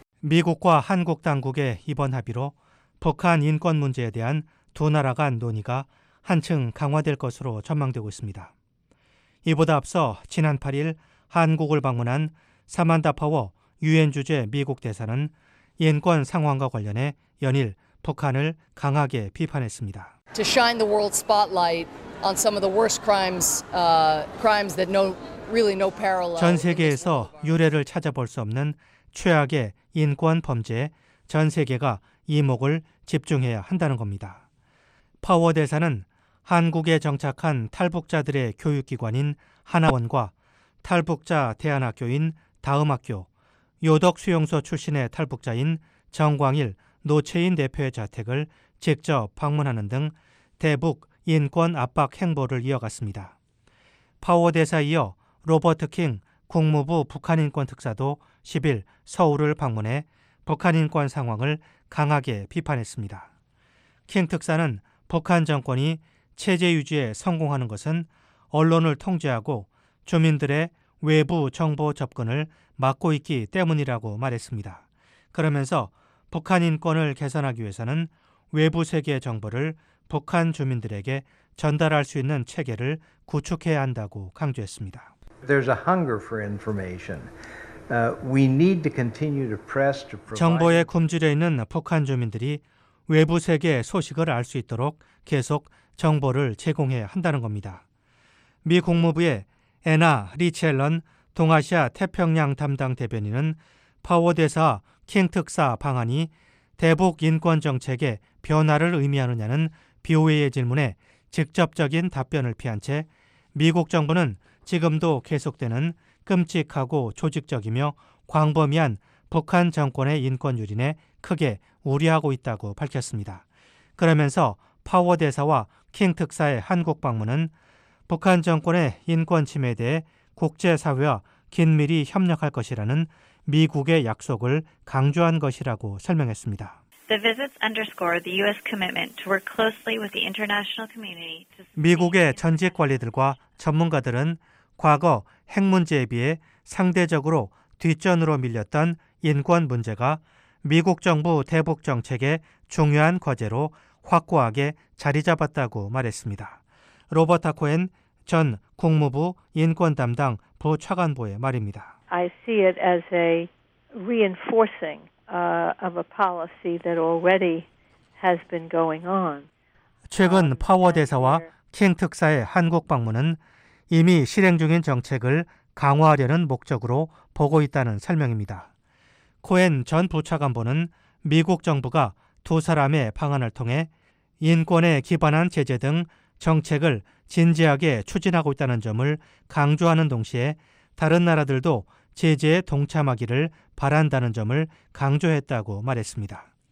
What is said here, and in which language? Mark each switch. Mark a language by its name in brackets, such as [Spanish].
[Korean] 미국과 한국 당국의 이번 합의로 북한 인권 문제에 대한 두 나라 간 논의가 한층 강화될 것으로 전망되고 있습니다. 이보다 앞서 지난 8일 한국을 방문한 사만다 파워 유엔 주재 미국 대사는 인권 상황과 관련해 연일 북한을 강하게 비판했습니다. [English] To shine the world spotlight on some of the worst crimes, crimes that no really no parallel. [Korean] 전 세계에서 유례를 찾아볼 수 없는 최악의 인권 범죄에 전 세계가 이목을 집중해야 한다는 겁니다. 파워 대사는 한국에 정착한 탈북자들의 교육기관인 하나원과 탈북자 대안학교인 다음학교, 요덕수용소 출신의 탈북자인 정광일, 노채인 대표의 자택을 직접 방문하는 등 대북 인권 압박 행보를 이어갔습니다. 파워 대사 이어 로버트 킹 국무부 북한인권특사도 10일 서울을 방문해 북한인권 상황을 강하게 비판했습니다. 킹 특사는 북한 정권이 체제 유지에 성공하는 것은 언론을 통제하고 주민들의 외부 정보 접근을 막고 있기 때문이라고 말했습니다. 그러면서 북한 인권을 개선하기 위해서는 외부 세계의 정보를 북한 주민들에게 전달할 수 있는 체계를 구축해야 한다고 강조했습니다. [English] There's a hunger for information. We need to continue to press to provide. [Korean] 정보에 굶주려 있는 북한 주민들이 외부 세계의 소식을 알 수 있도록 계속 정보를 제공해야 한다는 겁니다. 미 국무부의 애나 리첼런 동아시아 태평양 담당 대변인은 파워 대사 킹 특사 방안이 대북 인권 정책의 변화를 의미하느냐는 BOA의 질문에 직접적인 답변을 피한 채 미국 정부는 지금도 계속되는 끔찍하고 조직적이며 광범위한 북한 정권의 인권 유린에 크게 우려하고 있다고 밝혔습니다. 그러면서 파워 대사와 킹 특사의 한국 방문은 북한 정권의 인권 침해에 대해 국제사회와 긴밀히 협력할 것이라는 미국의 약속을 강조한 것이라고 설명했습니다. [English] The visits underscore the U.S. commitment to work closely with the international community. [Korean] 미국의 전직 관리들과 전문가들은 과거 핵 문제에 비해 상대적으로 뒷전으로 밀렸던 인권 문제가 미국 정부 대북 정책의 중요한 과제로 확고하게 자리 잡았다고 말했습니다. 로버타 코엔 전 국무부 인권 담당 부차관보의 말입니다. [English] I see it as a reinforcing of a policy that already has been going on. [Korean] 최근 파워 대사와 킹 특사의 한국 방문은 이미 실행 중인 정책을 강화하려는 목적으로 보고 있다는 설명입니다. 코엔 전 부차관보는 미국 정부가 두 사람의 방안을 통해 인권에 기반한 제재 등 정책을 진지하게 추진하고 있다는 점을 강조하는 동시에 다른 나라들도 제재에 동참하기를 바란다는 점을 강조했다고 말했습니다.